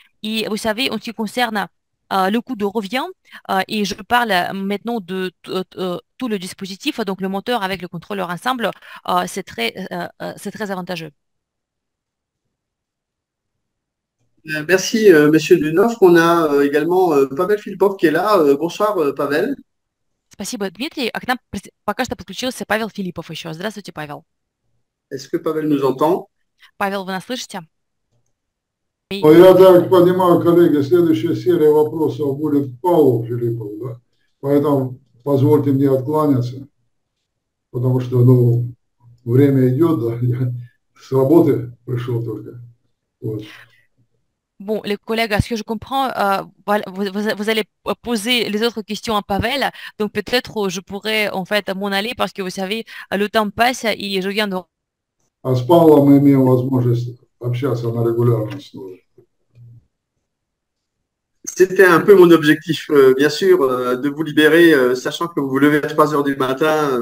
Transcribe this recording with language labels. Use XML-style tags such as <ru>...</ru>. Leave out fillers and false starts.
<fr>Et vous savez, en ce qui concerne le coût de revient, et je parle maintenant de tout le dispositif, donc le moteur avec le contrôleur ensemble, c'est très avantageux. Merci, Monsieur Dunoff. On a également Pavel Filipov qui est là. Bonsoir, Pavel.</fr> <ru>Спасибо, Дмитрий. А к нам пока что подключился Павел Филиппов еще. Здравствуйте, Павел.</ru> <fr>Est-ce que Pavel нous entend?</fr> <ru>Павел, вы нас слышите? Ну, я так понимаю, коллеги, следующая серия вопросов будет Павлу Филиппову, да? Поэтому позвольте мне откланяться, потому что, ну, время идет, да? Я с работы пришел только. Вот.</ru> <fr>Bon, les collègues, à ce que je comprends, vous allez poser les autres questions à Pavel. Donc peut-être je pourrais en fait m'en aller parce que vous savez, le temps passe et je viens de.</fr> <ru>А с Павлом мы имеем возможность общаться на регулярной основе.</ru> <fr>C'était un peu mon objectif, bien sûr, de vous libérer, sachant que vous vous levez à 3 h du matin.</fr>